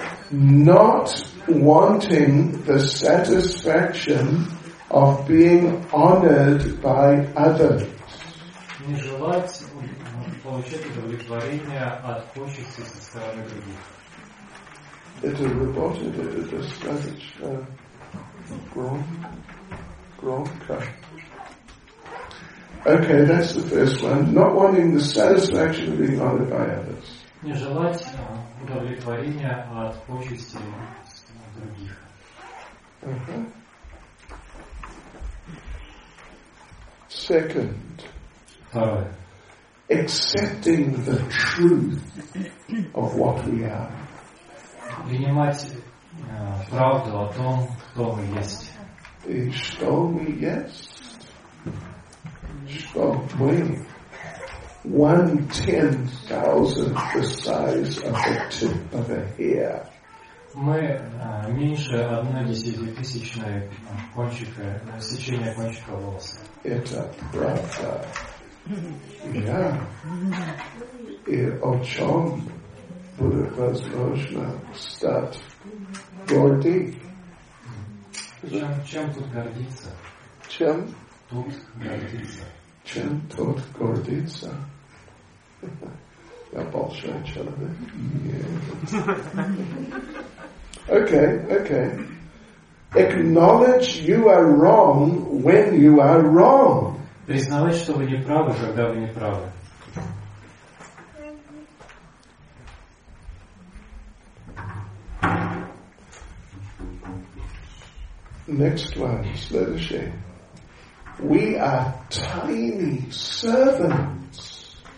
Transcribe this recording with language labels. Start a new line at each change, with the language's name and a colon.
English: Not wanting the satisfaction of being honored by others.
Russian: Не желать получить удовлетворение от почести со стороны других. Это работает, это достаточно громко.
English: Okay, that's the first one. Not wanting the satisfaction of being honored by others.
Russian: Не желать удовлетворения от почести других.
English: Second.
Russian: Второе.
English: Accepting the truth of what we are.
Russian: Принимать правду о том, кто мы есть. И что мы есть? Что мы?
English: 1/10,000 the size of the tip of a hair.
Russian: Мы меньше 1/10,000 кончика, сечения кончика волоса. Это правда. Я. И о чем будет возможно стать гордым? Чем тут гордиться? Чем? Тут гордиться. Чем тут гордиться? Я большой человек.
English: Okay. Acknowledge you are wrong when you are wrong.
Russian: Признавать, что вы не правы, когда вы не правы.
English: Next one,
Russian: следующий.
English: We are tiny servants.